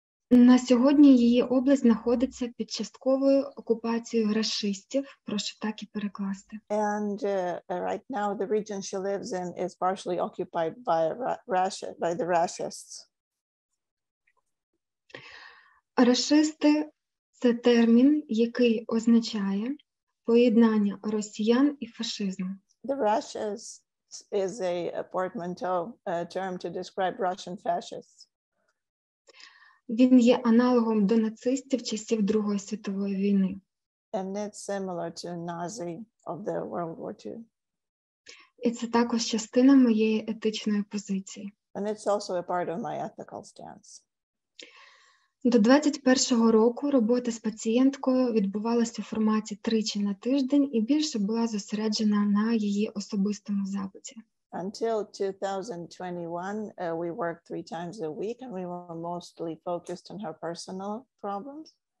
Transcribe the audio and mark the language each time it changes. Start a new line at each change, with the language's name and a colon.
Ukrainian: На сьогодні її область знаходиться під частковою окупацією рашистів. Прошу так і перекласти.
English: And right now the region she lives in is partially occupied by Russia, by the racists.
Ukrainian: Рашисти – це термін, який означає поєднання росіян і фашизму.
English: The racists is a portmanteau term to describe Russian fascists.
Ukrainian: Він є аналогом до нацистів часів Другої світової війни.
English: And it's similar to Nazi of the World War II.
Ukrainian: І це також частина моєї етичної позиції.
English: And it's also a part of my ethical stance.
Ukrainian: До 21-го року робота з пацієнткою відбувалася у форматі тричі на тиждень і більше була зосереджена на її особистому запиті.
English: Until 2021, we worked three times a week and we were mostly focused on her personal problems.